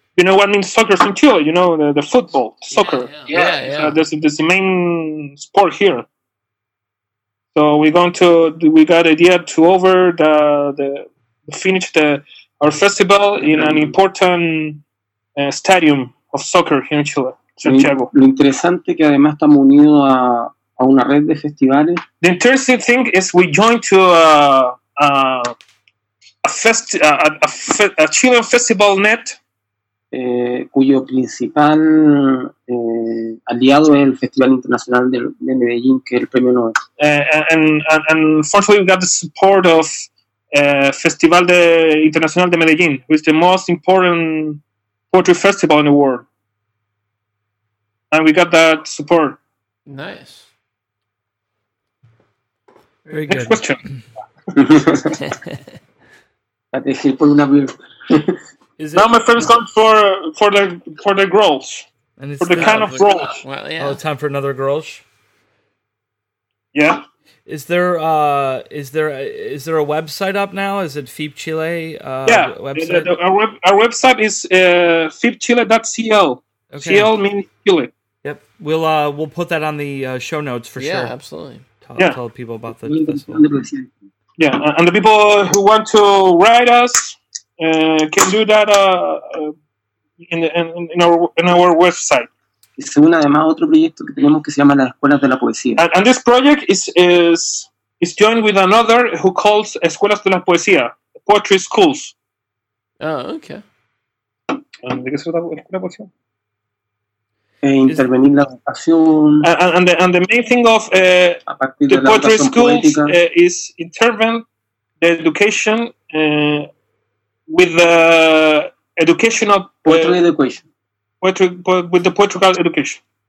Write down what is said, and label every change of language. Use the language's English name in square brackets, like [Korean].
[English] You know what means soccer in Chile? You know, the football, soccer. Yeah. So this is the main sport here. So we got idea to over the finish the our festival in an important stadium of soccer here in Chile, Santiago. [Spanish] Lo interesante que además estamos unidos a una red de festivales. [English] The interesting thing is we joined to a Chilean festival net. [Spanish] Cuyo principal aliado es el Festival Internacional de Medellín, que es el Premio Nobel. [English] And fortunately, we got the support of Festival de Internacional de Medellín, which is the most important poetry festival in the world. And we got that support. Nice. Very next good. Next question. Now my friend's gone for the Grolsch. And it's for the kind of Grolsch. Well, yeah. Oh, time for another Grolsch. Yeah. Is there a website up now? Is it FIB Chile website? Our website is fibchile.cl. Okay. CL means Chile. Yep. We'll put that on the show notes for sure. Yeah, absolutely. Tell people about the festival. Yeah, and the people who want to write us can do that in our website. [Spanish] Según además otro proyecto que tenemos que se llama las escuelas de la poesía. [English] And this project is joined with another who calls escuelas de la poesía, poetry schools. Oh, okay. [Spanish] ¿De qué se trata la escuela de poesía? Intervenir la educación. [English] And the main thing of the poetry schools is intervene the education with the educational poetry education. With the poetry education.